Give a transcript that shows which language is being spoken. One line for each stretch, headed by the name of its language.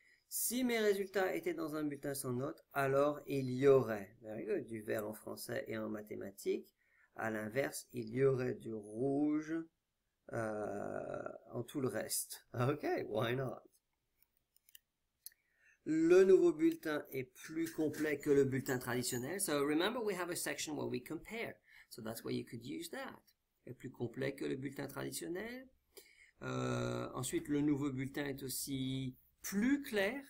French: Si mes résultats étaient dans un bulletin sans notes, alors il y aurait,
English: very good,
French: du vert en français et en mathématiques. À l'inverse, il y aurait du rouge en tout le reste.
English: Ok, why not?
French: Le nouveau bulletin est plus complet que le bulletin traditionnel.
English: So remember, we have a section where we compare. So that's why you could use that.
French: Est plus complet que le bulletin traditionnel. Ensuite, le nouveau bulletin est aussi plus clair.